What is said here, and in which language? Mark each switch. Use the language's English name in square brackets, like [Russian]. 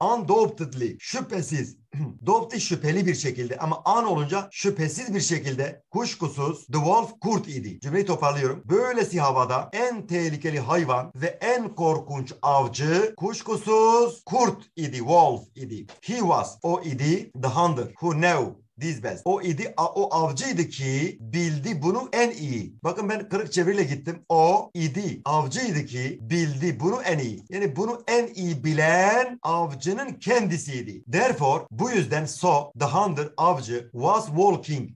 [Turkish] Undoubtedly, şüphesiz. Doubt şüpheli bir şekilde ama an olunca şüphesiz bir şekilde, kuşkusuz [English] the wolf [Turkish] kurt idi. Cümleyi toparlıyorum. Böylesi havada en tehlikeli hayvan ve en korkunç avcı kuşkusuz kurt idi, wolf idi. [English] He was, [Turkish] o idi, [English] the hunter who knew. This best. [Turkish] O idi, o avcıydı ki bildi bunu en iyi. Bakın ben kırık çeviriyle gittim. O idi, avcıydı ki bildi bunu en iyi. Yani bunu en iyi bilen avcının kendisiydi. [English] Therefore, [Turkish] bu yüzden [English] so, the hunter, avcı, was walking.